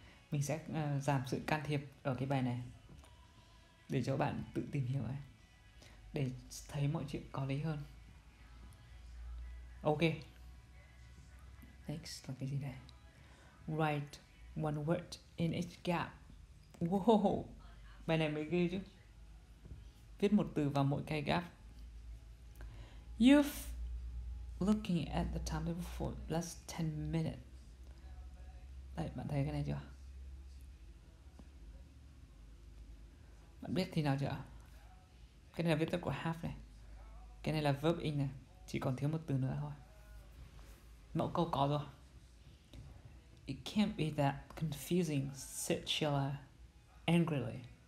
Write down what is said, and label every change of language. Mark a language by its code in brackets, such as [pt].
[vi] Mình sẽ giảm sự can thiệp ở cái bài này để cho bạn tự tìm hiểu ấy, để thấy mọi chuyện có lý hơn. [en] Ok. Next [vi] là cái gì đây? [en] Write one word in each gap. [vi] Whoa, bài này mới ghê chứ. Viết một từ vào mỗi cái gap. [en] You've looking at the timetable for last 10 minutes. [vi] Đây, bạn thấy cái này chưa? Bạn biết thì nào chưa? Cái này là viết tắt của have này. Cái này là verb in này. Chỉ còn thiếu một từ nữa thôi. Mẫu câu có rồi. [en] It can't be that confusing, said Sheila angrily.